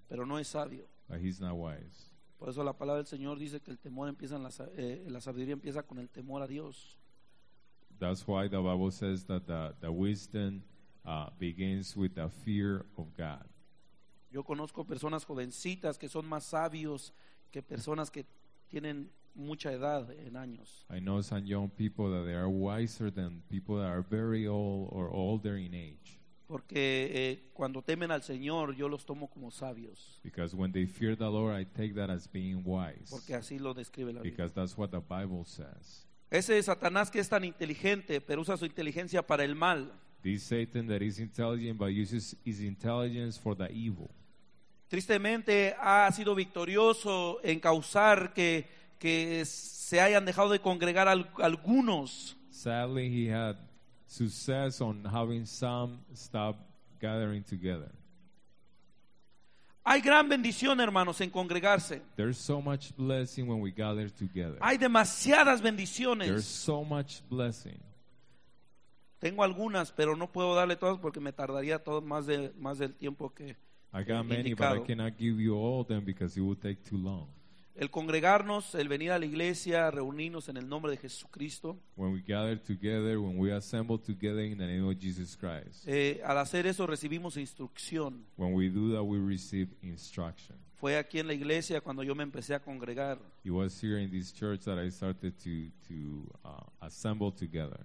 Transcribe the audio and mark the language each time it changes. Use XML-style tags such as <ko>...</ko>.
<es>Pero no es sabio.</es> <en>But he's not wise.</en> <es>Por eso la palabra del Señor dice que el temor empieza en la sabiduría empieza con el temor a Dios.</es> <en>That's why the Bible says that the wisdom begins with the fear of God.</en> <es>Yo conozco personas jovencitas que son más sabios que personas que tienen mucha edad en años.</es> <en>I know some young people that they are wiser than people that are very old or older in age.</en> <es>Porque cuando temen al Señor, yo los tomo como sabios.</es> <en>Because when they fear the Lord, I take that as being wise.</en> <es>Porque así lo describe la Biblia.</es> <en>Because that's what the Bible says.</en> <es>Ese es Satanás que es tan inteligente, pero usa su inteligencia para el mal.</es> <en>This Satan that is intelligent, but uses his intelligence for the evil.</en> <es>Tristemente, ha sido victorioso en causar que se hayan dejado de congregar algunos.</es> <en>Sadly, he had success on having some stop gathering together.</en> <es>Hay gran bendición, hermanos, en congregarse.</es> <en>There's so much blessing when we gather together.</en> <es>Hay demasiadas bendiciones.</es> <en>There's so much blessing.</en> <es>Tengo algunas, pero no puedo darle todas porque me tardaría todo más del tiempo que</es> <en>I got many,</en> <es>indicado.</es> <en>But I cannot give you all of them because it would take too long.</en> <es>El congregarnos, el venir a la iglesia, reunirnos en el nombre de Jesucristo.</es> <en>When we gather together, when we assemble together in the name of Jesus Christ.</en> <es>Al hacer eso recibimos instrucción.</es> <en>When we do that, we receive instruction.</en> <es>Fue aquí en la iglesia cuando yo me empecé a congregar.</es> <en>It was here in this church that I started to assemble together.</en>